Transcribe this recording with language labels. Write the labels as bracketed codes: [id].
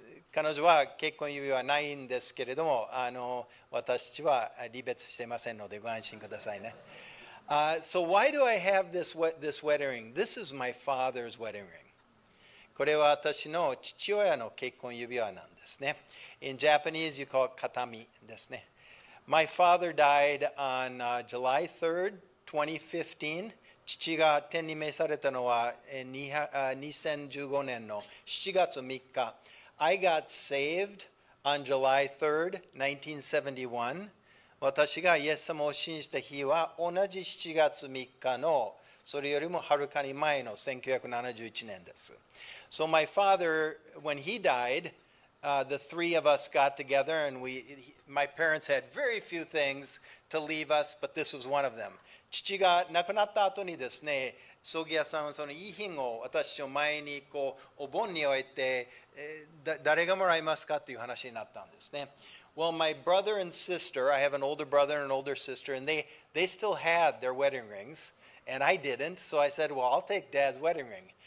[ja] 彼女は結婚指輪はないんですけれども、私は離別してませんのでご安心くださいね。 [en] So, why do I have this wedding ring? This is my father's wedding ring. [ja] これは私の父親の結婚指輪なんですね。 [en] In Japanese, you call it katami [ja] ですね。 [en] My father died on July 3rd, 2015. [ja] 父が天に召されたのは2015年の7月3日。 [en] I got saved on July 3rd, 1971. [ja] 私がイエス様を信じた日は同じ7月3日のそれよりもはるかに前の1971年です。 [en] So my father, when he died,the three of us got together and my parents had very few things to leave us, but this was one of them. [ja] 父が亡くなった後にですね、葬儀屋さんはその遺品を私の前にこうお盆に置いて、誰がもらいますかという話になったんですね。 [en] Well, my brother and sister, I have an older brother and an older sister, and they still had their wedding rings, and I didn't, so I said, well, I'll take dad's wedding ring.